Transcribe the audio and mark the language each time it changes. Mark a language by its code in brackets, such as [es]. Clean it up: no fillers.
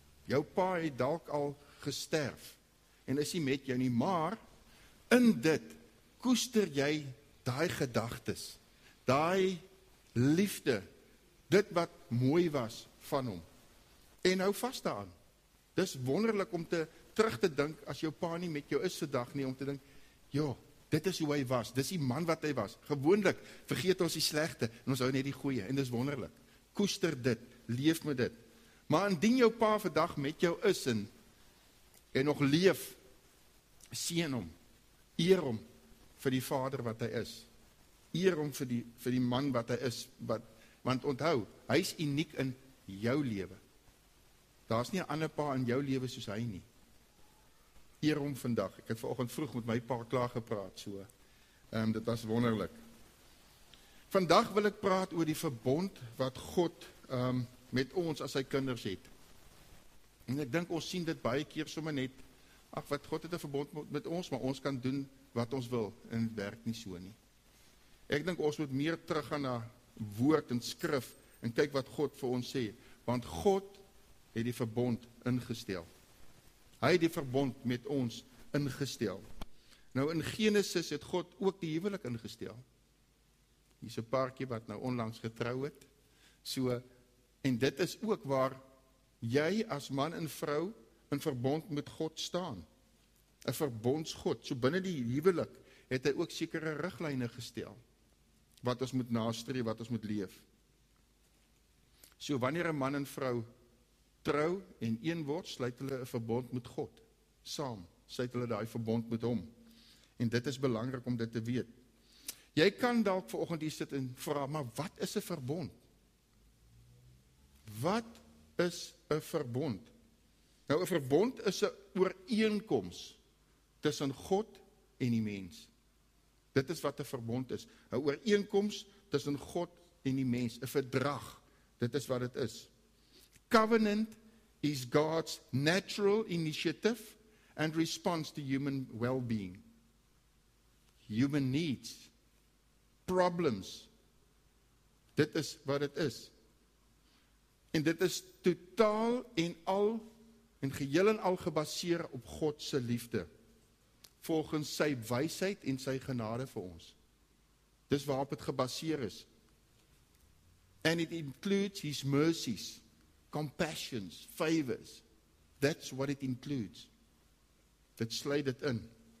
[af] Jou pa het dalk al gesterf en is nie met jou nie, maar in dit koester jy daai gedagtes, daai liefde, dit wat mooi was van hom. En hou vas daaraan. Dis wonderlik om te terug te dink, as jou pa nie met jou is vandag nie, om te dink, ja, dit is hoe hy was, dis die man wat hy was. Gewoonlik vergeet ons die slegte, en ons hou net die goeie, en dis wonderlik. Koester dit, leef met dit. Maar indien jou pa vandag met jou is, en nog leef, seën hom, eer hom vir die vader wat hy is, eer hom vir die man wat hy is, want onthou, hy is uniek in jou lewe. Daar is nie 'n ander pa in jou lewe soos hy nie. Hierom vandag, ek het vanoggend vroeg met my pa klaar gepraat, so, dit was wonderlik. Vandag wil ek praat oor die verbond wat God met ons as sy kinders het. En ek dink ons sien dit baie keer sommer net, ach wat, God het 'n verbond met ons, maar ons kan doen wat ons wil, en het werk nie so nie. Ek dink ons moet meer teruggaan na woord en skrif, en kyk wat God vir ons sê, want God het die verbond ingestel. Hy het die verbond met ons ingestel. Nou in Genesis het God ook die huwelik ingestel. Hier is 'n paartjie wat nou onlangs getrou het. So, en dit is ook waar jy as man en vrou in verbond met God staan. 'N verbondsgod. So binnen die huwelik het hy ook sekere riglyne gestel. Wat ons moet nastreef, wat ons moet leef. So wanneer 'n man en vrou trou en een word, sluit hulle 'n verbond met God, saam, sluit hulle daai verbond met hom, en dit is belangrik om dit te weet. Jy kan dalk vanoggend hier sit en vra, maar wat is 'n verbond? Wat is 'n verbond? Nou, 'n verbond is 'n ooreenkoms tussen God en die mens. Dit is wat 'n verbond is, 'n ooreenkoms tussen God en die mens, 'n verdrag, dit is wat dit is. [en] Covenant is God's natural initiative and response to human well-being. Human needs, problems, [af] dit is wat dit is. En dit is totaal en al en geheel en al gebaseer op God se liefde, volgens sy wysheid en sy genade vir ons. Dis waarop het gebaseer is. [en] And it includes his mercies, compassions, favors, that's what it includes. [af] Dit sluit dit in.